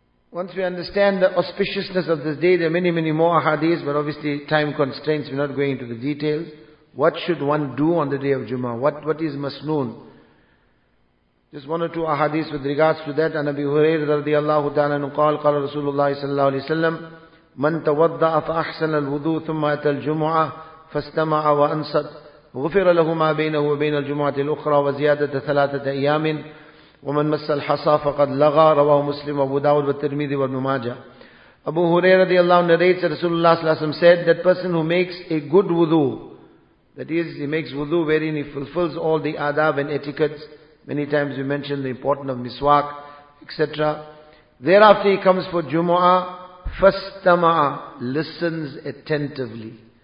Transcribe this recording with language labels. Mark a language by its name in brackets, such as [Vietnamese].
[English] Once we understand the auspiciousness of this day, there are many, many more ahadiths, but obviously time constraints, we're not going into the details. What should one do on the day of Jumu'ah? What is masnoon? Just one or two ahadiths with regards to that. [Arabic] An Abi Hurairah radiallahu ta'ala nuqal, qala Rasulullah sallallahu alayhi wa sallam, من توضع فأحسن الوضوء ثم أتى الجمعة فاستمع وأنصت غفر له ما بينه وبين الجمعة الأخرى وزيادة ثلاثة أيام ومن مس الحصى فقد لغى رواه مسلم وابو داود والترمذي وابن ماجه. أبو هريرة رضي الله عنه [English] narrates that [Arabic] رسول الله صلى الله عليه وسلم [English] said that person who makes a good wudu, that is he makes wudu wherein he fulfills all the adab and etiquettes, many times we mentioned the importance of miswak, etc. Thereafter he comes for Jumu'ah, فَاسْتَمَعَ listens attentively.